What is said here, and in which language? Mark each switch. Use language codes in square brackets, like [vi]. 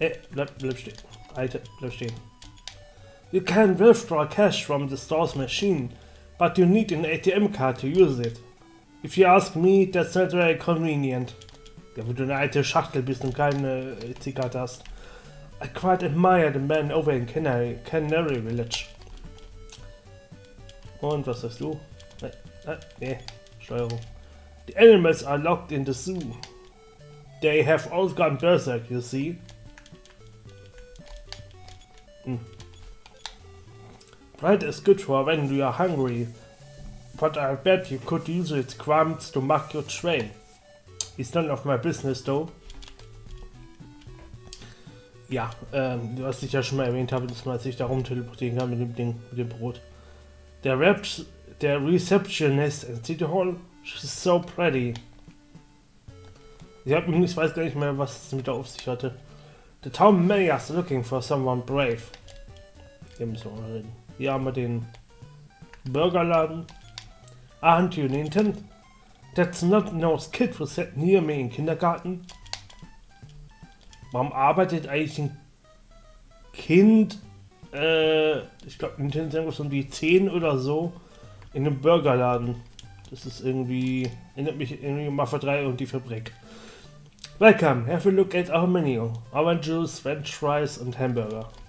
[de] Bleib stehen. Alter, bleib stehen. [en] You can withdraw cash from the store's machine, but you need an ATM card to use it. If you ask me, that's not very convenient. [de] Ja, wenn du eine alte Schachtel bist und keine EC-Karte hast. [en] I quite admire the man over in Canary Village. [de] Und was sagst du? Nee, Steuerung. [en] The animals are locked in the zoo. They have all gone berserk, you see. Bread is good for when you are hungry, but I bet you could use its crumbs to mark your train. It's none of my business, though. [de] Ja, was ich ja schon mal erwähnt habe, dass man sich da rumteleportieren kann mit dem Ding, mit dem Brot. [en] Der Receptionist in City Hall, she's so pretty. [de] Ich weiß gar nicht mehr, was es mit der Aufsicht hatte. [en] The town mayor's looking for someone brave. [de] Hier müssen wir mal reden. Hier haben wir den Burgerladen. [en] Aren't you Nathan? That's not nose kid who sat near me in Kindergarten. [de] Warum arbeitet eigentlich ein Kind? Ich glaube, Nintendo ist irgendwas so um die 10 oder so in einem Burgerladen. Das ist irgendwie, erinnert mich irgendwie an Mafia 3 und die Fabrik. [en] Welcome, have a look at our menu. Orange Juice, French Fries und Hamburger.